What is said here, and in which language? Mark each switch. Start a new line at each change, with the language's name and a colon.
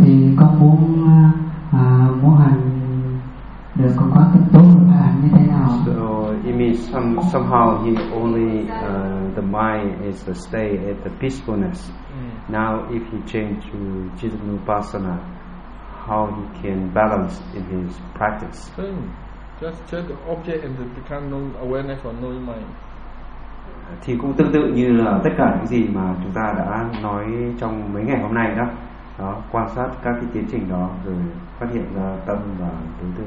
Vietnamese: Thì con muốn muốn hành được con quá tốt được là hành như thế nào?
English: So it means somehow he only the mind is to stay at the peacefulness. Now if he change to Jitanupassana, how he can balance in his practice? Same. Just check the object and become known awareness or knowing mind.
Vietnamese: Thì cũng tương tự như là tất cả những gì mà chúng ta đã nói trong mấy ngày hôm nay đó. Đó, quan sát các cái tiến trình đó rồi phát hiện ra tâm và đối tượng.